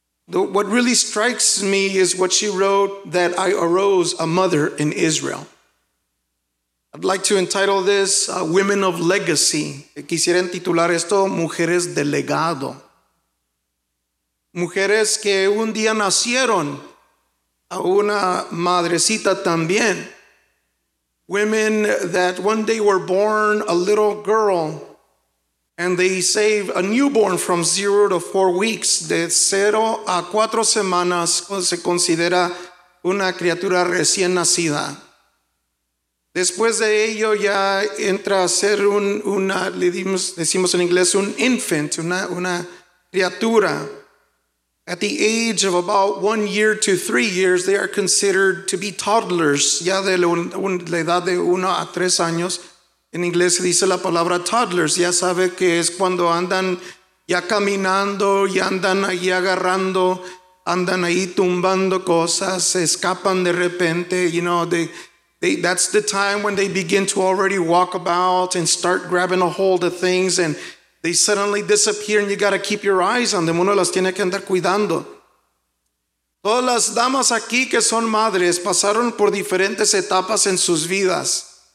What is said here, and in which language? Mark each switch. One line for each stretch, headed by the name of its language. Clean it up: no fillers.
English: What really strikes me is what she wrote, that I arose a mother in Israel. I'd like to entitle this Women of Legacy.
Spanish: Quisiera titular esto Mujeres de Legado. Mujeres que un día nacieron a una madrecita también.
English: Women that one day were born a little girl and they save a newborn from 0 to 4 weeks.
Spanish: De 0 a 4 semanas se considera una criatura recién nacida. Después de ello ya entra a ser decimos en inglés, un infant, una criatura.
English: At the age of about 1 year to 3 years, they are considered to be toddlers.
Spanish: Ya de la edad de 1 a 3 años, en inglés se dice la palabra toddlers. Ya sabe que es cuando andan ya caminando y andan ahí agarrando andan ahí tumbando cosas, se escapan de repente,
English: you know, that's the time when they begin to already walk about and start grabbing a hold of things, and they suddenly disappear, and you got to keep your eyes on them.
Spanish: Uno las tiene que andar cuidando. Todas las damas aquí que son madres pasaron por diferentes etapas en sus vidas.